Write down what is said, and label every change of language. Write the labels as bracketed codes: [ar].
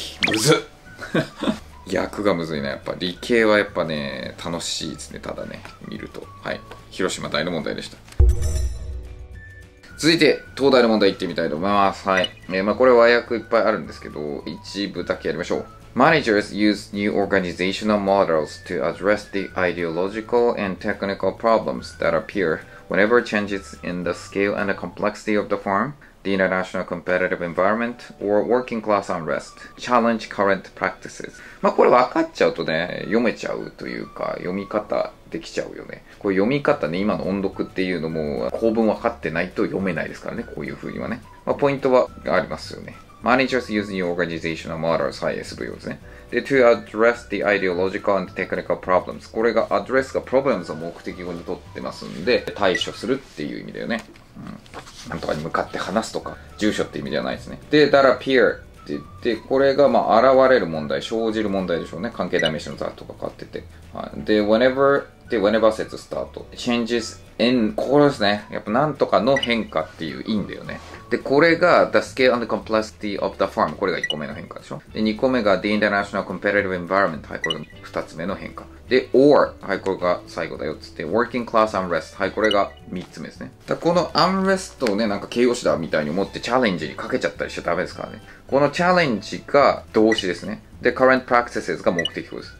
[ja] むず役がむずいな、やっぱ。理系はやっぱね、楽しいですね。ただね、見ると。はい。広島大の問題でした。続いて東大の問題行ってみたいと思います。はい、まあ、これは和訳いっぱいあるんですけど一部だけやりましょう。 [en] Managers use new organizational models to address the ideological and technical problems that appear whenever changes in the scale and the complexity of the firm, the international competitive environment, or working class unrest challenge current practices。 [ja] まあこれ分かっちゃうとね、読めちゃうというか読み方できちゃうよね。これ読み方ね、今の音読っていうのも構文分かってないと読めないですからね、こういう風にはね。まあ、ポイントはありますよね。 [en] Managers use new organizational models、 [ja] はい、SVO ですね。で、 [en] to address the ideological and technical problems、 [ja] これが address が problems を目的語にとってますんで、対処するっていう意味だよね、うん、なんとかに向かって話すとか住所って意味ではないですね。で、that appear って言って、これがまあ現れる問題、生じる問題でしょうね。関係代名詞の that とか変わってて、はい、で、whenever で、whenever 説スタート。 changes in、ここですね。やっぱなんとかの変化っていう in だよね。 [en] で、これが the scale and the complexity of the firm。 [ja] これが1個目の変化でしょ。 [en] で、2個目が the international competitive environment。 [ja] はい、これが2つ目の変化。で、or、はい、これが最後だよっつって、 [en] working class unrest。 [ja] はい、これが3つ目ですね。だこの unrest をね、なんか形容詞だみたいに思ってチャレンジにかけちゃったりしちゃダメですからね。このチャレンジが動詞ですね。で、current practices が目的語です。